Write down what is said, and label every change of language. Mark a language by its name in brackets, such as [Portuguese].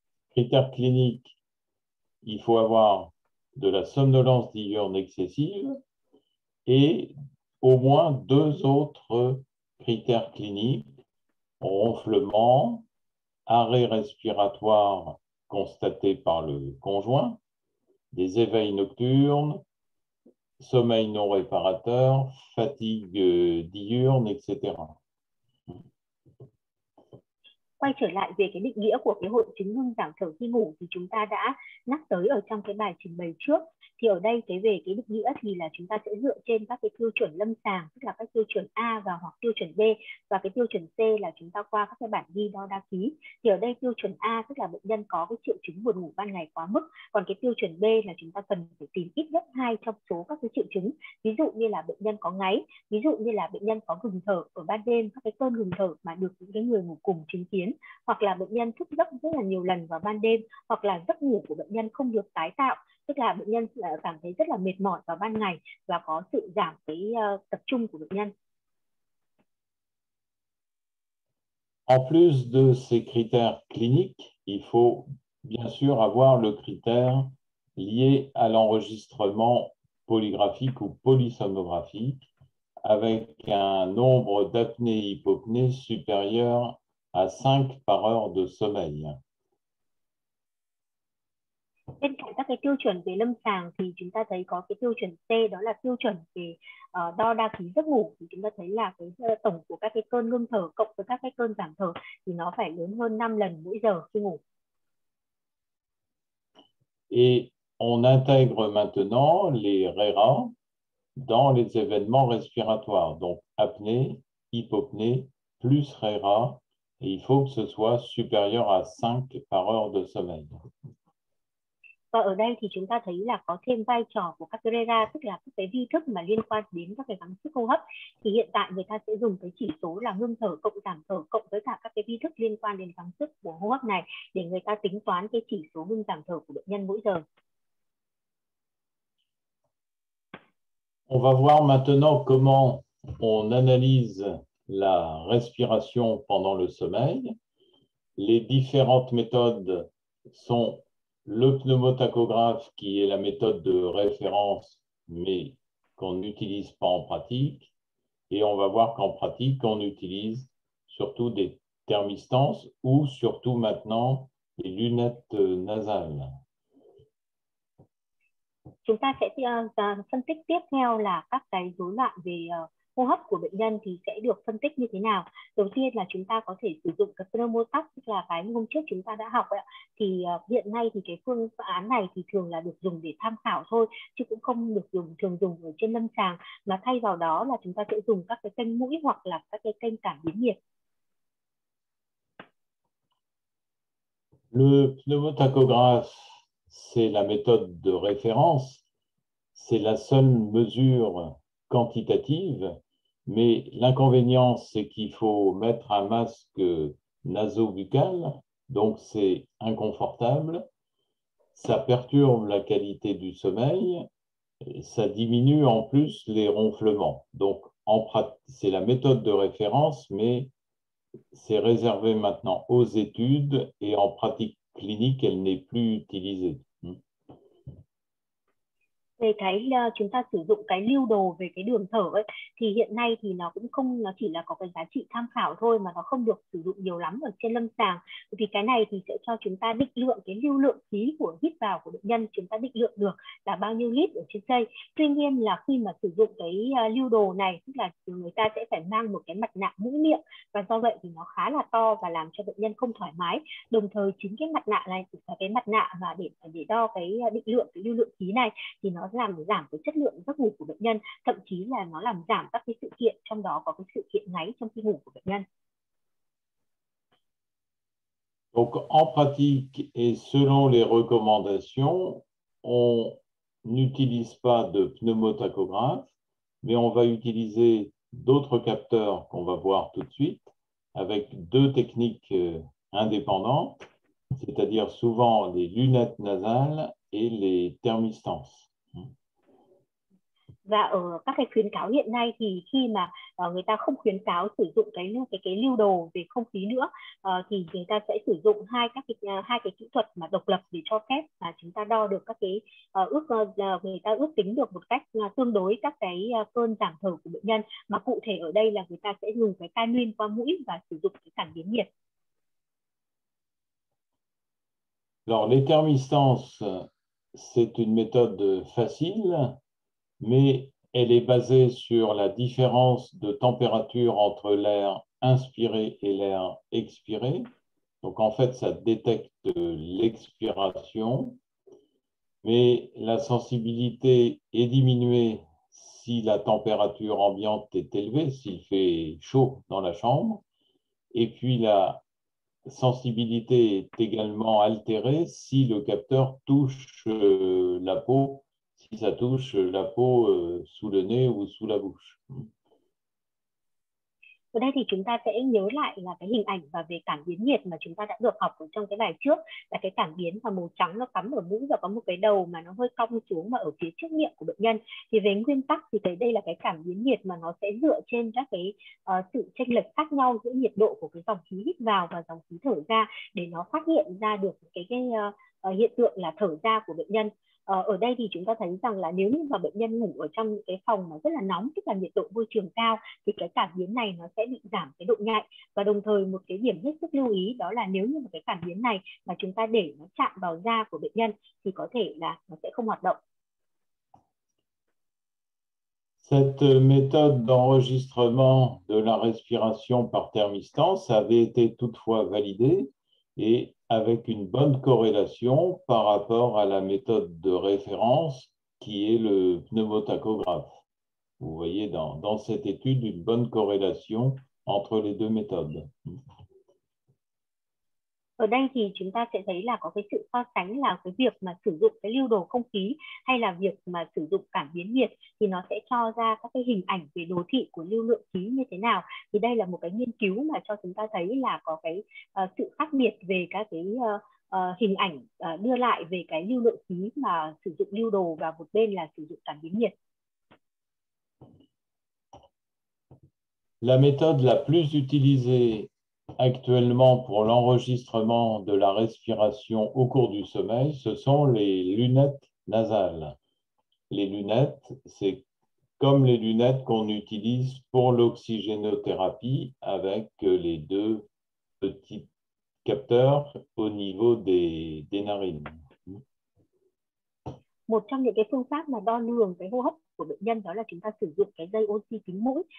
[French] Critères cliniques, il faut avoir de la somnolence diurne excessive et au moins deux autres critères cliniques, ronflement, arrêt respiratoire constaté par le conjoint, des éveils nocturnes, sommeil non réparateur, fatigue diurne, etc. [Vietnamese] quay trở lại về cái định nghĩa của cái hội chứng ngưng giảm thở khi ngủ thì chúng ta đã nhắc tới ở trong cái bài trình bày trước. Thì ở đây cái về cái định nghĩa thì là chúng ta sẽ dựa trên các cái tiêu chuẩn lâm sàng, tức là các tiêu chuẩn A và hoặc tiêu chuẩn B, và cái tiêu chuẩn C là chúng ta qua các cái bản ghi đo đa ký. Thì ở đây tiêu chuẩn A tức là bệnh nhân có cái triệu chứng buồn ngủ ban ngày quá mức, còn cái tiêu chuẩn B là chúng ta cần phải tìm ít nhất hai trong số các cái triệu chứng, ví dụ như là bệnh nhân có ngáy, ví dụ như là bệnh nhân có ngừng thở ở ban đêm, các cái cơn ngừng thở mà được những cái người ngủ cùng chứng kiến, hoặc là bệnh nhân thức giấc rất là nhiều lần vào ban đêm, hoặc là giấc ngủ của bệnh nhân không được tái tạo, tức là bệnh nhân cảm thấy rất là mệt mỏi vào ban ngày và có sự giảm cái tập trung của bệnh nhân. [French] En plus de ces critères cliniques, il faut bien sûr avoir le critère lié à l'enregistrement polygraphique ou polysomnographique avec un nombre d'apnées-hypopnées supérieur à 5 par heure de sommeil. [Vietnamese] Bên cạnh các cái tiêu chuẩn về lâm sàng thì chúng ta thấy có cái tiêu chuẩn C, đó là tiêu chuẩn về đo đa ký giấc ngủ, thì chúng ta thấy là cái tổng của các cái cơn ngưng thở cộng với các cái cơn giảm thở thì nó phải lớn hơn 5 lần mỗi giờ khi ngủ. [French] Et on intègre maintenant les RERA dans les événements respiratoires, donc apnée, hypopnée plus RERA, et il faut que ce soit supérieur à 5 par heure de sommeil. [Vietnamese] Và ở đây thì chúng ta thấy là có thêm vai trò của các RERA, tức là các cái vi thức mà liên quan đến các cái gắng sức hô hấp. Thì hiện tại người ta sẽ dùng cái chỉ số là ngưng thở cộng giảm thở cộng với cả các cái vi thức liên quan đến gắng sức của hô hấp này để người ta tính toán cái chỉ số ngưng giảm thở của bệnh nhân mỗi giờ. [French] On va voir maintenant comment on analyse la respiration pendant le sommeil. Les différentes méthodes sont le pneumotachographe, qui est la méthode de référence, mais qu'on n'utilise pas en pratique. Et on va voir qu'en pratique, on utilise surtout des thermistances ou surtout maintenant des lunettes nasales. [Vietnamese] Chúng ta sẽ phân tích tiếp theo là các cái rối loạn về hô hấp của bệnh nhân thì sẽ được phân tích như thế nào. Đầu tiên là chúng ta có thể sử dụng cái pneumotach, tức là cái hôm trước chúng ta đã học ấy. Thì hiện nay thì cái phương án này thì thường là được dùng để tham khảo thôi, chứ cũng không được dùng thường dùng ở trên lâm sàng, mà thay vào đó là chúng ta sẽ dùng các cái kênh mũi hoặc là các cái kênh cảm biến nhiệt. [French] Le pneumotachographe, c'est la méthode de référence, c'est la seule mesure quantitative, mais l'inconvénient, c'est qu'il faut mettre un masque naso-buccal, donc c'est inconfortable, ça perturbe la qualité du sommeil, ça diminue en plus les ronflements. Donc en pratique, c'est la méthode de référence, mais c'est réservé maintenant aux études et en pratique clinique, elle n'est plus utilisée. [Vietnamese] Về cái chúng ta sử dụng cái lưu đồ về cái đường thở ấy, thì hiện nay thì nó cũng không, nó chỉ là có cái giá trị tham khảo thôi, mà nó không được sử dụng nhiều lắm ở trên lâm sàng, vì cái này thì sẽ cho chúng ta định lượng cái lưu lượng khí của hít vào của bệnh nhân, chúng ta định lượng được là bao nhiêu lít ở trên dây. Tuy nhiên là khi mà sử dụng cái lưu đồ này, tức là người ta sẽ phải mang một cái mặt nạ mũi miệng, và do vậy thì nó khá là to và làm cho bệnh nhân không thoải mái. Đồng thời chính cái mặt nạ này là cái mặt nạ và để đo cái định lượng cái lưu lượng khí này, thì nó làm giảm cái chất lượng giấc ngủ của bệnh nhân, thậm chí là nó làm giảm các cái sự kiện, trong đó có cái sự kiện ngáy trong khi ngủ của bệnh nhân. [French] Donc en pratique et selon les recommandations, on n'utilise pas de pneumotachographe, mais on va utiliser d'autres capteurs qu'on va voir tout de suite avec deux techniques indépendantes, c'est-à-dire souvent les lunettes nasales et les thermistances. [Vietnamese] Và ở các cái khuyến cáo hiện nay thì khi mà người ta không khuyến cáo sử dụng cái lưu đồ về không khí nữa, thì người ta sẽ sử dụng hai cái kỹ thuật mà độc lập để cho phép mà chúng ta đo được các cái người ta ước tính được một cách tương đối các cái cơn giảm thở của bệnh nhân, mà cụ thể ở đây là người ta sẽ dùng cái canuin qua mũi và sử dụng cái cảm biến nhiệt. [French] Alors les thermistances, c'est une méthode facile, mais elle est basée sur la différence de température entre l'air inspiré et l'air expiré. Donc, en fait, ça détecte l'expiration, mais la sensibilité est diminuée si la température ambiante est élevée, s'il fait chaud dans la chambre. Et puis, la sensibilité est également altérée si le capteur touche la peau, si ça touche la peau sous le nez ou sous la bouche. [Vietnamese] Ở đây thì chúng ta sẽ nhớ lại là cái hình ảnh và về cảm biến nhiệt mà chúng ta đã được học trong cái bài trước, là cái cảm biến mà màu trắng nó cắm ở mũi và có một cái đầu mà nó hơi cong xuống mà ở phía trước miệng của bệnh nhân. Thì về nguyên tắc thì thấy đây là cái cảm biến nhiệt mà nó sẽ dựa trên các cái sự chênh lệch khác nhau giữa nhiệt độ của cái dòng khí hít vào và dòng khí thở ra để nó phát hiện ra được cái hiện tượng là thở ra của bệnh nhân. Ở đây thì chúng ta thấy rằng là nếu như mà bệnh nhân ngủ ở trong những cái phòng mà rất là nóng, tức là nhiệt độ môi trường cao, thì cái cảm biến này nó sẽ bị giảm cái độ nhạy. Và đồng thời một cái điểm hết sức lưu ý đó là nếu như mà cái cảm biến này mà chúng ta để nó chạm vào da của bệnh nhân thì có thể là nó sẽ không hoạt động. [French] Cette méthode d'enregistrement de la respiration par thermistance avait été toutefois validée et avec une bonne corrélation par rapport à la méthode de référence qui est le pneumotachographe. Vous voyez dans cette étude une bonne corrélation entre les deux méthodes. [Vietnamese] Ở đây thì chúng ta sẽ thấy là có cái sự so sánh là cái việc mà sử dụng cái lưu đồ không khí hay là việc mà sử dụng cảm biến nhiệt thì nó sẽ cho ra các cái hình ảnh về đồ thị của lưu lượng khí như thế nào. Thì đây là một cái nghiên cứu mà cho chúng ta thấy là có cái sự khác biệt về các cái hình ảnh đưa lại về cái lưu lượng khí mà sử dụng lưu đồ và một bên là sử dụng cảm biến nhiệt. [French] La méthode la plus utilisée actuellement pour l'enregistrement de la respiration au cours du sommeil, ce sont les lunettes nasales. Les lunettes, c'est comme les lunettes qu'on utilise pour l'oxygénothérapie avec les deux petits capteurs au niveau des narines. [Vietnamese] Một trong những cái phương pháp mà đo lường cái hô hấp của bệnh nhân đó là chúng ta sử dụng cái dây oxy kính mũi.